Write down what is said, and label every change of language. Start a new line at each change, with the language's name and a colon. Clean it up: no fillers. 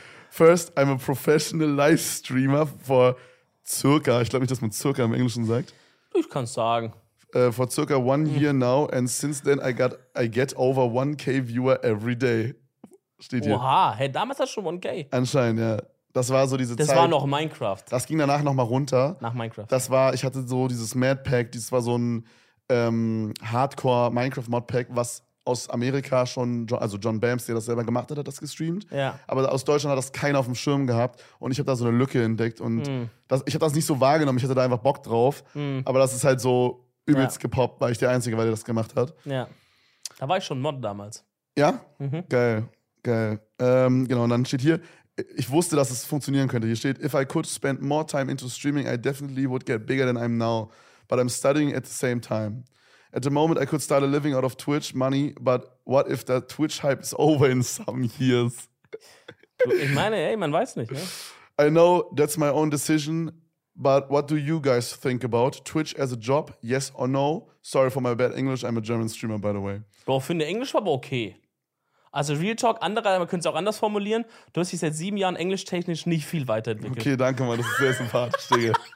English: First, I'm a professional Livestreamer for circa,
German: ich glaube nicht, dass man circa im Englischen sagt. Ich kann es sagen.
English: For circa 1 year now and since then I get over 1k viewer every day.
German: Steht hier. Oha, hey, damals hast du schon 1k. Anscheinend, ja. Das war so diese Zeit. Das war noch Minecraft. Das ging danach nochmal runter. Nach Minecraft. Das war, ich hatte so dieses Mad-Pack, das war so ein Hardcore-Minecraft-Mod-Pack, was aus Amerika schon, also John Bams, der das selber gemacht hat, hat das gestreamt. Ja. Aber aus Deutschland hat das keiner auf dem Schirm gehabt. Und ich habe da so eine Lücke entdeckt. Und ich habe das nicht so wahrgenommen, ich hatte da einfach Bock drauf. Mhm. Aber das ist halt so übelst gepoppt, weil ich der Einzige war, der das gemacht hat. Ja. Da war ich schon Mod damals. Ja? Mhm. Geil, geil. Genau, und dann steht hier, ich wusste, dass es funktionieren könnte. Hier steht,
English: if I could spend more time into streaming, I definitely would get bigger than I am now. But I'm studying at the same time. At the moment, I could start a living out of Twitch money, but what if the Twitch hype is over in some years?
German: Ich meine, ey, man weiß nicht. Ne?
English: I know that's my own decision, but what do you guys think about Twitch as a job? Yes or no? Sorry for my bad English, I'm a German streamer, by the way.
German: Bro, finde Englisch aber okay. Also Real Talk, andere, man könnte es auch anders formulieren. Du hast dich seit 7 Jahren englischtechnisch nicht viel weiterentwickelt. Okay, danke, Mann, das ist sehr sympathisch, Digga.